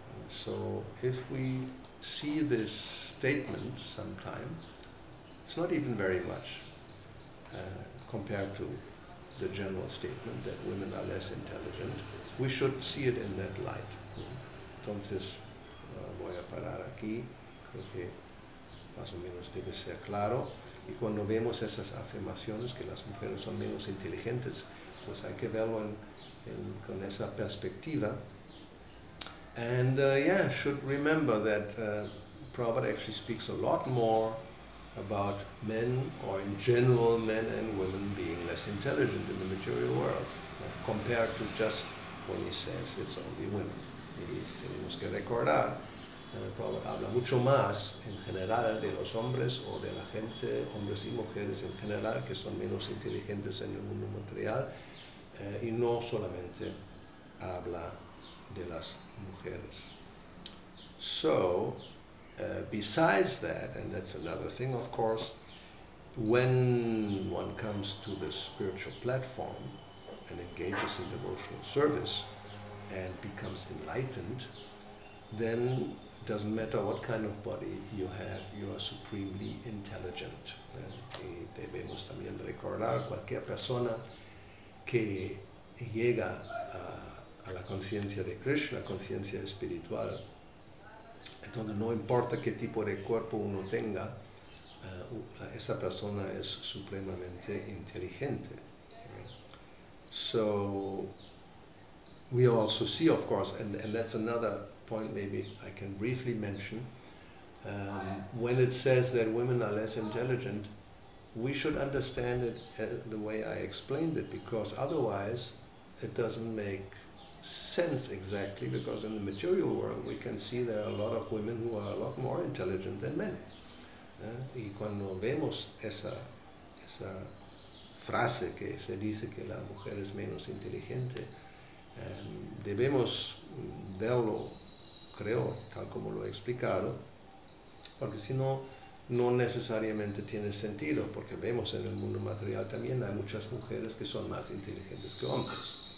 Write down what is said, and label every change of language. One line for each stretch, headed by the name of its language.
English: So, if we see this statement sometime, it's not even very much compared to the general statement that women are less intelligent. We should see it in that light.
Spanish: Entonces, voy a parar aquí, porque más o menos debe ser claro. Y cuando vemos esas afirmaciones que las mujeres son menos inteligentes, pues hay que verlo con esa perspectiva.
English: And should remember that Prabhupada actually speaks a lot more about men, or in general men and women, being less intelligent in the material world, compared to just when he says it's only women.
Spanish: Y tenemos que recordar, Prabhupada habla mucho más en general de los hombres o de la gente, hombres y mujeres en general, que son menos inteligentes en el mundo material, y no solamente habla de las mujeres.
English: So, besides that, and that's another thing, of course, when one comes to the spiritual platform and engages in devotional service and becomes enlightened, then it doesn't matter what kind of body you have, you are supremely intelligent.
Spanish: Y debemos también recordar, cualquier persona que llega a la conciencia de Krishna, conciencia espiritual, entonces no importa qué tipo de cuerpo uno tenga, esa persona es supremamente inteligente.
English: So, we also see, of course, and that's another point maybe I can briefly mention, when it says that women are less intelligent, we should understand it the way I explained it, because otherwise it doesn't make sense exactly, because in the material world we can see there are a lot of women who are a lot more intelligent than men.
Spanish: Y cuando vemos esa frase que se dice que la mujer es menos inteligente, debemos verlo, creo, tal como lo he explicado, porque si no, no necesariamente tiene sentido, porque vemos en el mundo material también hay muchas mujeres que son más inteligentes que hombres.